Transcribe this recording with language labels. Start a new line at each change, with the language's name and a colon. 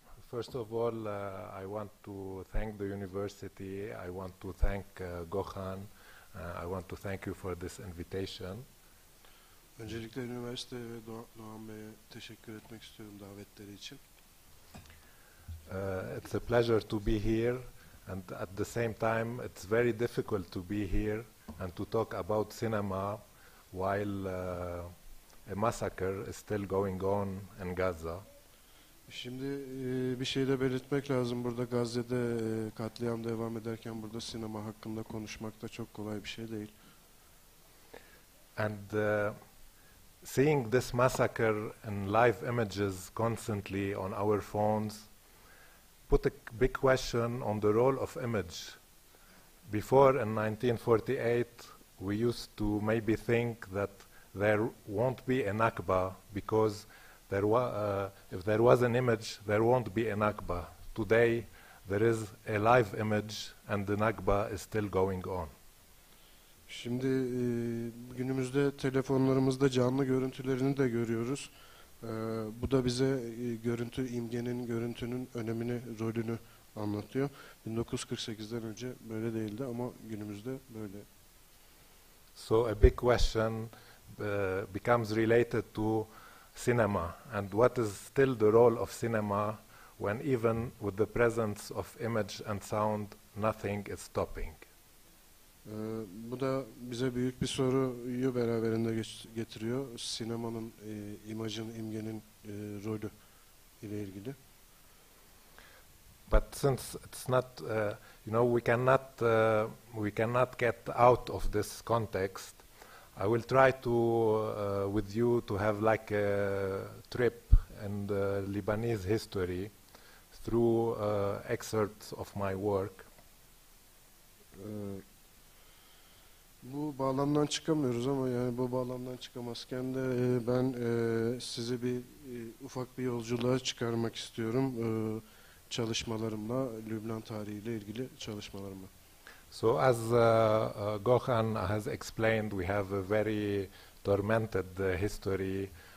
English: First of all, I want to thank the university. I want to thank Gohan. I want to thank you for this invitation.
Turkish: Öncelikle üniversite ve Doğan Bey'e teşekkür etmek istiyorum davetleri için.
English: It's a pleasure to be here, and at the same time, it's very difficult to be here and to talk about cinema while a massacre is still going on in Gaza.
Turkish: Şimdi bir şey de belirtmek lazım. Burada Gazze'de katliam devam ederken burada sinema hakkında konuşmak da çok kolay bir şey değil.
English: And seeing this massacre in live images constantly on our phones put a big question on the role of image. Before in 1948 we used to maybe think that there won't be a Nakba because there if there was an image, there won't be a Nakba. Today, there is a live image, and the Nakba is still going on.
Turkish: Şimdi günümüzde telefonlarımızda canlı görüntülerini de görüyoruz. Bu da bize görüntü imgenin, görüntünün önemini, rolünü anlatıyor. 1948'den önce böyle değildi ama günümüzde böyle.
English: So a big question becomes related to cinema and what is still the role of cinema when even with the presence of image and sound nothing is stopping.
Turkish: Bu da bize büyük bir soruyu beraberinde getiriyor. Sinemanın, imajın, imgenin rolü ile ilgili.
English: But since it's not we cannot get out of this context, I will try to with you to have like a trip in the Lebanese history through excerpts of my work.
Turkish: Bu bağlamdan çıkamıyoruz ama yani bu bağlamdan çıkamazken de ben sizi bir ufak bir yolculuğa çıkarmak istiyorum çalışmalarımla, Lübnan tarihiyle ilgili çalışmalarımla.
English: So as Gökhan has explained, we have a very tormented history.